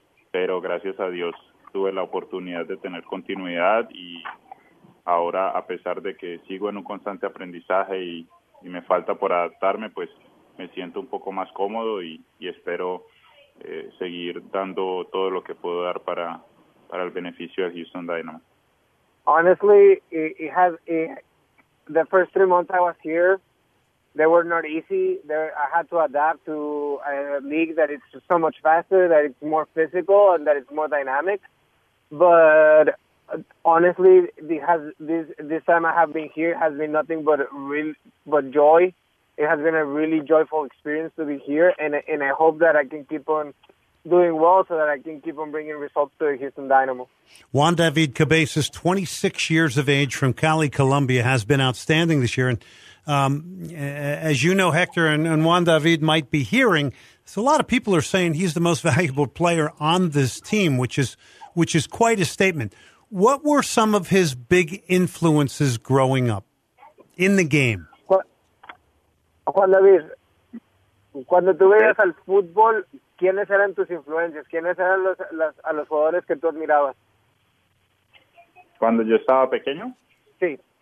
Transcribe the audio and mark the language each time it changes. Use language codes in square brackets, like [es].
[es] pero gracias a Dios tuve la oportunidad de tener continuidad y ahora, a pesar de que sigo en un constante aprendizaje y me falta por adaptarme, pues me siento un poco más cómodo y espero seguir dando todo lo que puedo dar para el beneficio de Houston Dynamo. [en] Honestly, the first 3 months I was here, they were not easy. I had to adapt to a league that is so much faster, that it's more physical, and that it's more dynamic. But honestly, this time I have been here has been nothing but joy. It has been a really joyful experience to be here, and I hope that I can keep on doing well so that I can keep on bringing results to Houston Dynamo. Juan David Cabezas, 26 years of age from Cali, Colombia, has been outstanding this year. And as you know, Hector and Juan David might be hearing, so a lot of people are saying he's the most valuable player on this team, which is quite a statement. What were some of his big influences growing up in the game? [es] Juan David, cuando tú veías al fútbol, ¿quiénes eran tus influencias? ¿Quiénes eran los jugadores que tú admirabas? ¿Cuando yo estaba pequeño? Sí.